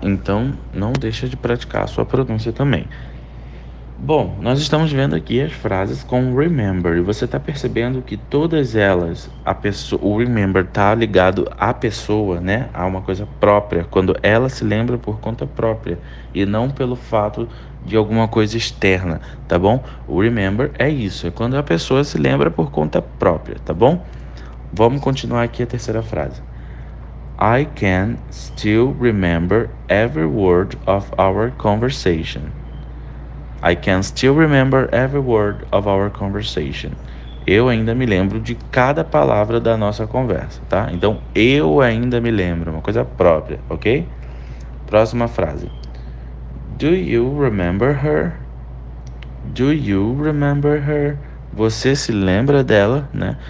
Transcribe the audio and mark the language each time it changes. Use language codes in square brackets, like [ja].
[pt] Então, não deixa de praticar a sua pronúncia também. Bom, nós estamos vendo aqui as frases com remember. E você está percebendo que todas elas, o remember está ligado à pessoa, né? A uma coisa própria, quando ela se lembra por conta própria e não pelo fato de alguma coisa externa, tá bom? O remember é isso, é quando a pessoa se lembra por conta própria, tá bom? Vamos continuar aqui a terceira frase. [en] I can still remember every word of our conversation. I can still remember every word of our conversation. [pt] Eu ainda me lembro de cada palavra da nossa conversa, tá? Então, eu ainda me lembro, uma coisa própria, ok? Próxima frase. [en] Do you remember her? Do you remember her? [pt] Você se lembra dela, né?